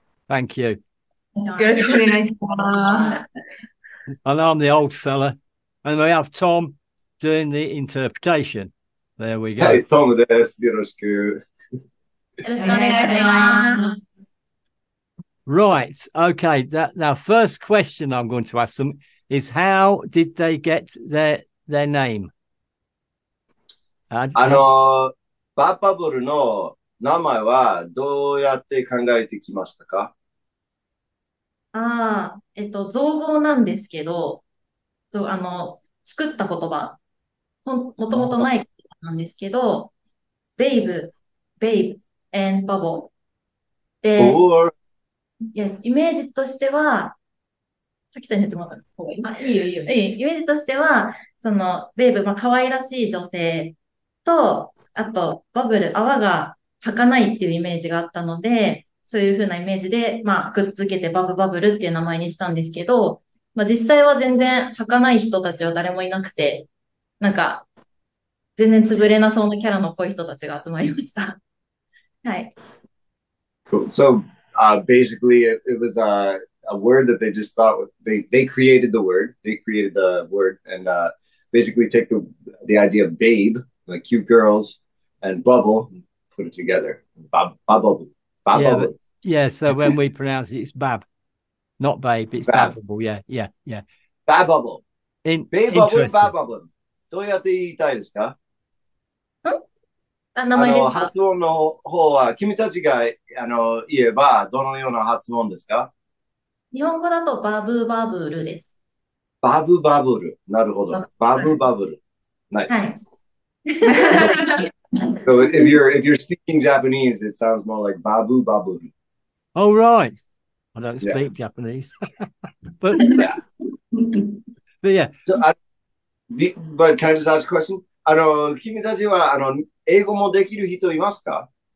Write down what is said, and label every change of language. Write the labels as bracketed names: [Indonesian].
[English] Thank you. [Japanese] よろしくお願いします。 [English] And I'm the old fella. And we have Tom doing the interpretation. There we go. [Japanese] Hey, Tom です。よろしく。よろしくお願いします。 [English] Right. Okay. That, now, first question I'm going to ask them is how did they get their name? [Japanese] BabBubble の名前はどうやって考えてきましたか？造語なんですけど、作った言葉、もともとない。なんですけど、 [English] babe, and bubble. [Japanese] で、 [English] yes, [Japanese] イメージとしては、さっきちゃんに言ってもらった方がいい。いいよいいよ。イメージとしては、その、babe, まあ、可愛らしい女性と、あと、バブル、泡が儚いっていうイメージがあったので、そういう風なイメージで、まあ、くっつけてバブバブルっていう名前にしたんですけど、まあ、実際は全然儚い人たちは誰もいなくて、なんか、全然潰れなそうなキャラの濃い人たちが集まりました。はい。 [English] Cool. So, basically, it was a word that they just thought they created the word. They created the word and basically take the idea of babe, like cute girls, and bubble, and put it together. Bab bubble. Yeah, but, yeah. So when we pronounce it, it's bab, not babe. It's bab. Bubble. Yeah. Bab bubble. In babe bubble. Bab bubble. [Japanese] どうやって言いたいですか？あ、名前ですか？発音の方は、君たちが言えば、どのような発音ですか？日本語だとバブバブルです。バブバブル。なるほど。バブバブル。ナイス。はい、 [English] so, so if you're speaking Japanese, it sounds more like バブバブル。 Oh, right. I don't speak Japanese. But, yeah. But yeah. So, But can I just ask a question? [Japanese] 君たちは英語もできる人いますか？